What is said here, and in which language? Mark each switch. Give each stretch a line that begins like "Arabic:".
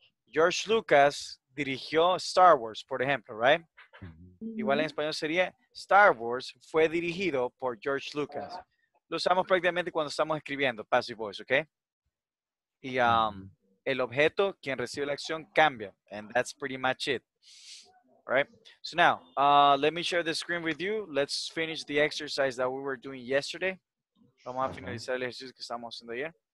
Spanish: George Lucas dirigió Star Wars, por ejemplo, ¿right? Mm-hmm. Igual en español sería Star Wars fue dirigido por George Lucas. Lo usamos prácticamente cuando estamos escribiendo passive voice, ¿ok? Y el objeto, quien recibe la acción, cambia.
English: And that's pretty much it. Right. So now, let me share the screen with you. Let's finish the exercise that we were doing yesterday.
Spanish: Vamos a finalizar el ejercicio que estamos haciendo ayer.